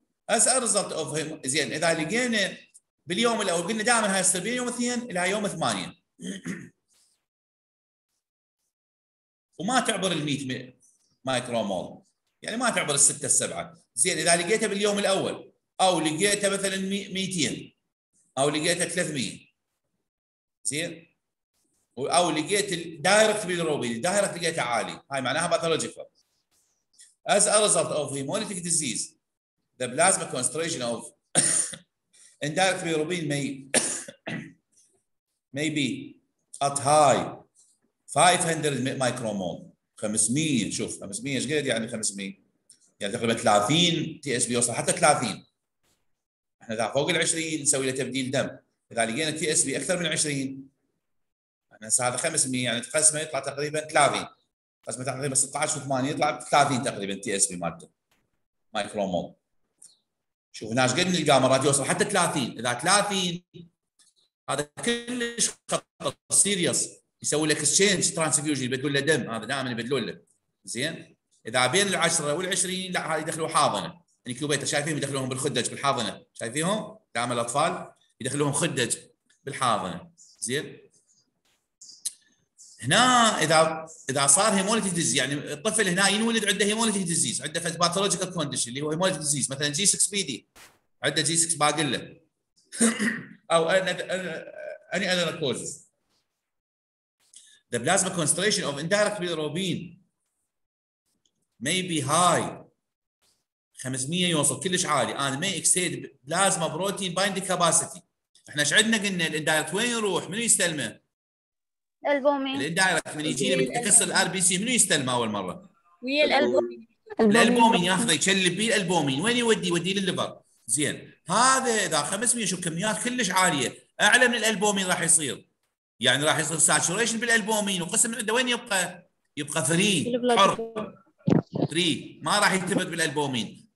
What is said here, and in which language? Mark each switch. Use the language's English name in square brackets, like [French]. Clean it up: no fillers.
[English] As a result of him, [Arabic] زين اذا لقينا باليوم الاول قلنا دائما هاي 70 يوم اثنين الى يوم 8 وما تعبر ال 100 مايكرومول، يعني ما تعبر السته السبعه. زين اذا لقيته باليوم الاول او لقيته مثلا 200 او لقيته 300 زين او لقيت الدايركت بيلروبين الدايركت لقيته عالي، هاي معناها باثولوجيكال. [English] As a result of hemolytic disease, the plasma concentration of indirect bilirubin may be at high 500 micromole. [Arabic] 500 شوف 500 ايش قد يعني 500؟ يعني تقريبا 30 تي اس بي يوصل حتى 30. احنا اذا فوق ال 20 نسوي له تبديل دم، اذا لقينا تي اس بي اكثر من 20 احنا هسه هذا 500 يعني تقسمه يطلع تقريبا 30. قسمه تقريبا 16 و8 يطلع 30 تقريبا تي اس بي مالته micromole. شوف هناش قد نلقاه مرات يوصل حتى 30، اذا 30 هذا كلش خطر سيريس يسوي لك اكسشينج ترانسفيوجن يبدلون له دم، هذا دائما يبدلون له. زين؟ اذا بين ال 10 وال 20 لا هذه يدخلوا حاضنه، انكيوبيتر شايفين يدخلوهم بالخدج بالحاضنه، شايفينهم؟ دائما الاطفال يدخلوهم خدج بالحاضنه. زين؟ هنا اذا صار هيمولتي ديزيز، يعني الطفل هنا ينولد عنده هيمولتي ديزيز، عنده فد باثولوجيكال كونديشن اللي هو هيمولتي ديزيز، مثلا جي 6 بي دي، عنده جي 6 باقي له او اني اذر كوزز. [English] The plasma concentration of indirect bilirubin may be high 500 [Arabic] يوصل كلش عالي [English] and may exceed plasma protein binding capacity. [Arabic] احنا ايش عندنا قلنا الاندايركت وين يروح؟ منو يستلمه؟ الالبومين. الاندايركت من يجينا من تكسر الار بي سي منو يستلمه اول مره؟ ويا الالبومين. الالبومين ياخذه يشلب بيه الالبومين، وين يودي؟ يودي للليفر. زين هذا اذا 500 شوف كميات كلش عاليه اعلى من الالبومين راح يصير، يعني راح يصير ساتوريشن بالالبومين وقسم عنده وين يبقى؟ يبقى ثري حر، ثري ما راح يلتفت بالالبومين.